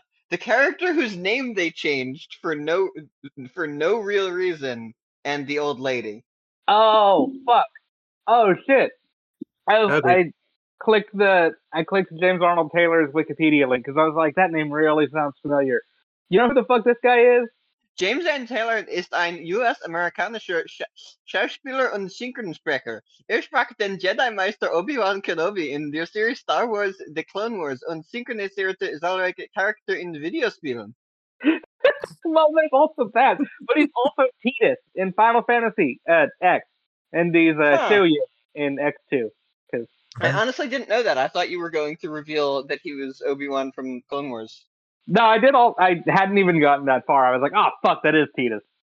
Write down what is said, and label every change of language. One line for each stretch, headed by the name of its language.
English: The character whose name they changed for no real reason, and the old lady. Oh, fuck. Oh, shit. I clicked James Arnold Taylor's Wikipedia link, because I was like, that name really sounds familiar. You know who the fuck this guy is?
German: James Arnold Taylor ist ein US-amerikanischer Schauspieler und Synchronsprecher. Sprach den Jedi-Meister Obi-Wan Kenobi
English: in the series
German: Star Wars The Clone Wars und synchronisierte zahlreiche Charakter in Videospielen.
English: Well, they're both of that, but he's also Tidus in Final Fantasy X, and he's Shuya in X2. I honestly didn't know that. I thought you were going to reveal that he was Obi-Wan from Clone Wars. No, I did all. I hadn't even gotten that far. I was like, "Oh fuck, that is Tidus."